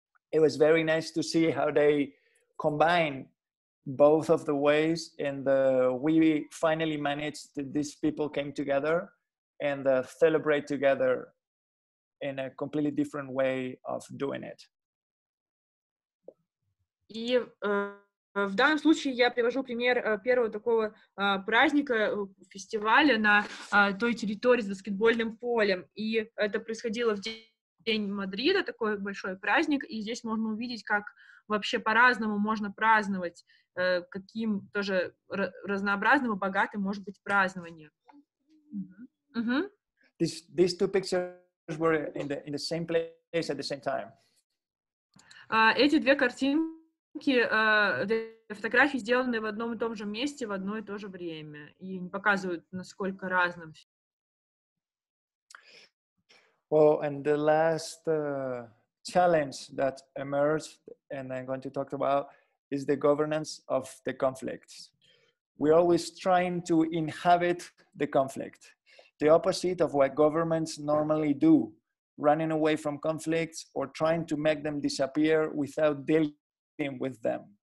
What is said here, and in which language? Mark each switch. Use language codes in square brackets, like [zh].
[en] It was very nice to see how they combine both of the ways, and we finally managed that these people came together and celebrate together in a completely different way of doing it. [ru] И в данном случае я привожу пример первого такого праздника, фестиваля на той территории с баскетбольным полем. И это происходило в день Мадрида, такой большой праздник, и здесь можно увидеть, как вообще по-разному можно праздновать, каким тоже разнообразным и богатым может быть празднование. Mm-hmm. [en] These two pictures were in the same place at the same time. [ru] Эти две картинки, фотографии сделаны в одном и том же месте в одно и то же время и не показывают, насколько разным. [en] Well, and the last challenge that emerged and I'm going to talk about is the governance of the conflicts. We're always trying to inhabit the conflict. The opposite of what governments normally do, running away from conflicts or trying to make them disappear without dealing with them.